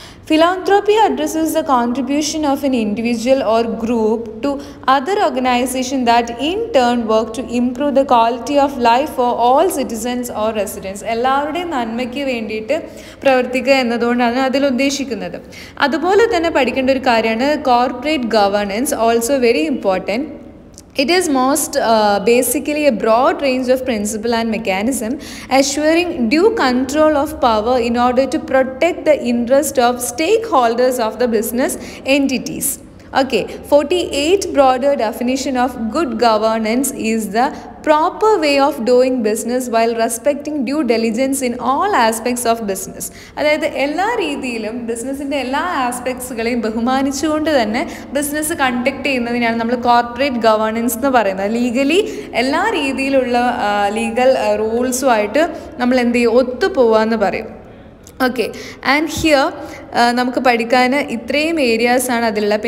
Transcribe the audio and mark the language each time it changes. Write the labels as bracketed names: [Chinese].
[English] Philanthropy addresses the contribution of an individual or group to other organisation that in turn work to improve the quality of life for all citizens or residents. [Malayalam] എല്ലാവരുടെയും നന്മയ്ക്ക് വേണ്ടിയിട്ട് പ്രവർത്തിക്കുക എന്നതുകൊണ്ടാണ് അതിൽ ഉദ്ദേശിക്കുന്നത്. അതുപോലെ തന്നെ പഠിക്കേണ്ട ഒരു കാര്യമാണ് corporate governance, [English] Also very important. It is most basically a broad range of principle and mechanism assuring due control of power in order to protect the interest of stakeholders of the business entities. Okay, 48 broader definition of good governance is the proper way of doing business while respecting due diligence in all aspects of business. [Malayalam] അതായത് എല്ലാ രീതിയിലും ബിസിനസ്സിൻ്റെ എല്ലാ ആസ്പെക്ട്സുകളെയും ബഹുമാനിച്ചുകൊണ്ട് തന്നെ business conduct ചെയ്യുന്നതിനാണ് നമ്മൾ corporate governance എന്ന് പറയുന്നത്. ലീഗലി എല്ലാ രീതിയിലുള്ള ലീഗൽ റൂൾസുമായിട്ട് നമ്മൾ എന്ത് ചെയ്യും, ഒത്തുപോവാന്ന് പറയും. [English] Okay, and here [Malayalam] നമുക്ക് പഠിക്കാന് ഇത്രയും ഏരിയാസാണ് അതിലുള്ള.